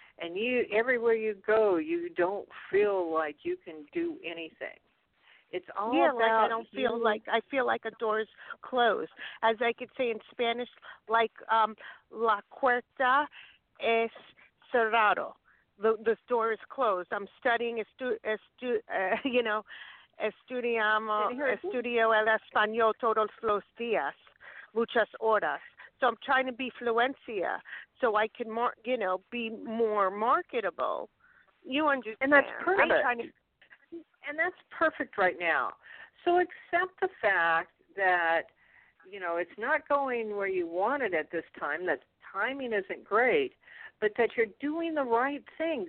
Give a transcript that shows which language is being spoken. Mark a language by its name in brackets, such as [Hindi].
[English] And you, everywhere you go, you don't feel like you can do anything. It's all like I don't feel like, I feel like a door's closed. As I could say in Spanish, like [Spanish] la puerta es cerrado. [English] The door is closed. I'm studying, you know, [Spanish] estudio el español todos los días, muchas horas. [English] So I'm trying to be fluencia so I can, you know, be more marketable. You understand. And that's perfect. And that's perfect right now. So accept the fact that, you know, it's not going where you want it at this time, that timing isn't great, but that you're doing the right thing.